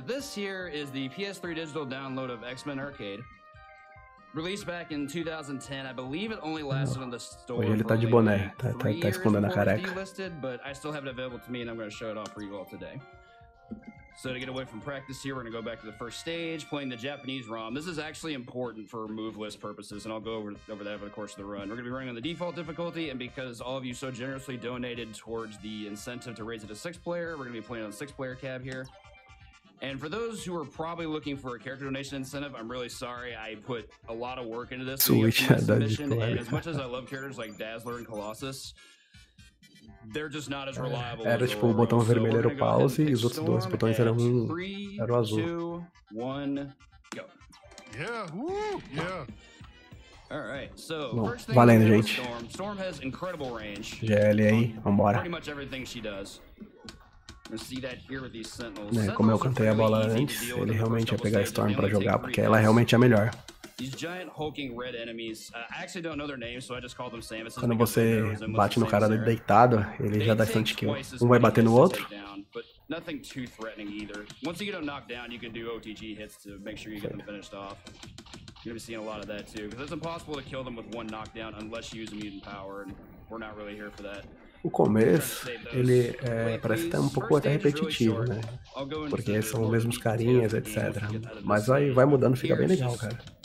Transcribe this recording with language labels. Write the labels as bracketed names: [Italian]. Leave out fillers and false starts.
[English] This here is the PS3 digital download of X-Men Arcade. Released back in 2010, I believe it only lasted on the store. [Portuguese] Hoje ele tá de boné, tá escondendo a careca. [English] But I still have it available to me and I'm going to show it off for you all today. So to get away from practice here, we're going to go back to the first stage, playing the Japanese ROM. This is actually important for move list purposes, and I'll go over that over the course of the run. We're going to be running on the default difficulty, and because all of you so generously donated towards the incentive to raise it to 6-player, we're going to be playing on the 6-player cab here. And for those who are probably looking for a character donation incentive, I'm really sorry. I put a lot of work into this. And as much as I love characters like Dazzler and Colossus, they're just not as reliable. [Portuguese] Era tipo o botão vermelho era o pause e os outros dois botões eram um, era o azul. [English] 3, 2, 1, go. Yeah, woo, yeah. All right, so [Portuguese] bom, valendo, gente. [English] Storm has incredible range. [Portuguese] GL aí, vambora. [English] Pretty much everything she does. We see that here with these sentinels. [Portuguese] Né, como eu cantei a bola antes, ele realmente ia pegar a Storm pra jogar, porque ela realmente é a melhor. [English] These giant hulking red enemies. I actually don't know their names, so I just call them Samus. [Portuguese] Quando você bate no cara deitado, ele já dá stunt kill. Um vai bater no outro. [English] But nothing too threatening either. Once you get them knocked down, you can do OTG hits to make sure you get them finished off. You're gonna be seeing a lot of that too, because it's impossible to kill them with one knockdown unless you use a mutant power, and we're not really here for that. [Portuguese] O começo, ele é, parece até um pouco até repetitivo, né? Porque são os mesmos carinhas, etc. Mas aí vai mudando, fica bem legal, cara.